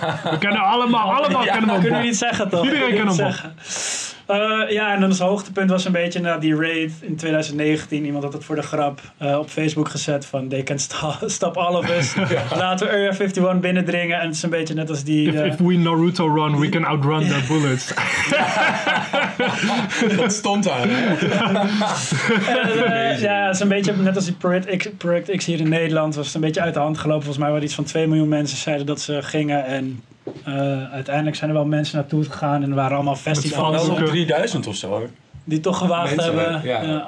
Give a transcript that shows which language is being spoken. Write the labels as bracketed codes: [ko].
[nl] We kennen allemaal kennen we Bob. Kunnen we niet zeggen toch? Iedereen kent hem Bob. En dan is het hoogtepunt was een beetje na die raid in 2019. Iemand had het voor de grap op Facebook gezet van [en] they can stop all of us. [nl] Ja. Laten we Area 51 binnendringen. En het is een beetje net als die... [en] If we Naruto run, we can outrun their bullets. [nl] Dat stond daar. Het is een beetje net als die Project X hier in Nederland. Was het een beetje uit de hand gelopen. Volgens mij waren iets van 2 miljoen mensen zeiden dat ze gingen en... uiteindelijk zijn er wel mensen naartoe gegaan en er waren allemaal festivals. Het valt wel 3000 of zo. Die toch gewaagd mensen, hebben.